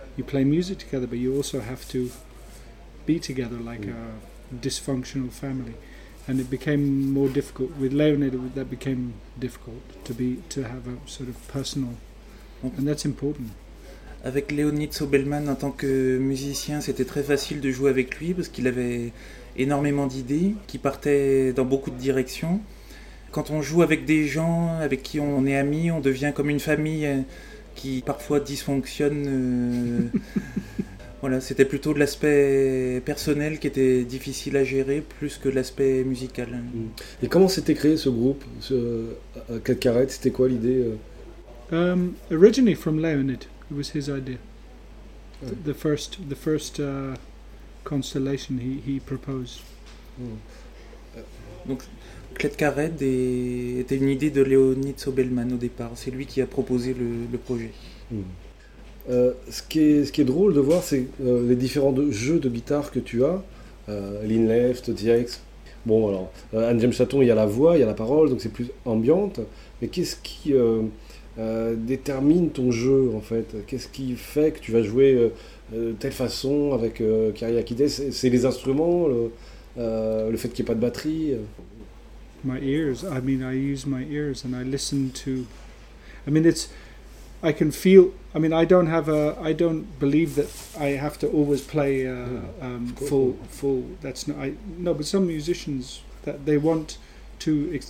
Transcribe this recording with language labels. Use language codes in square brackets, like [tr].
[en] You play music together, but you also have to. Be together like a dysfunctional family, and it became more difficult with Leonid. That became difficult to have a sort of personal, and that's important. [fr] Avec Leonid Sobelman en tant que musicien, c'était très facile de jouer avec lui parce qu'il avait énormément d'idées qui partaient dans beaucoup de directions. Quand on joue avec des gens avec qui on est amis, on devient comme une famille qui parfois dysfonctionne. Voilà, c'était plutôt l'aspect personnel qui était difficile à gérer, plus que l'aspect musical. Et comment s'était créé ce groupe, ce Claude Carrel? C'était quoi l'idée? [en] Originally from Leonid, it was his idea. The first constellation he proposed. [fr] Donc, Claude Carrel était une idée de Leonid Sobelman au départ. C'est lui qui a proposé le projet. Ce qui est drôle de voir, c'est les différents jeux de guitare que tu as, lean left, TX. Bon, alors, Anne-James Chaton, il y a la voix, il y a la parole, donc c'est plus ambiante. Mais qu'est-ce qui détermine ton jeu, en fait? Qu'est-ce qui fait que tu vas jouer de telle façon avec Kyriakides? C'est les instruments, le fait qu'il n'y ait pas de batterie? [en] My ears, I mean, I use my ears and I listen to. I mean, it's. I can feel. I mean, I don't believe that I have to always play full. That's not. But some musicians that they want to.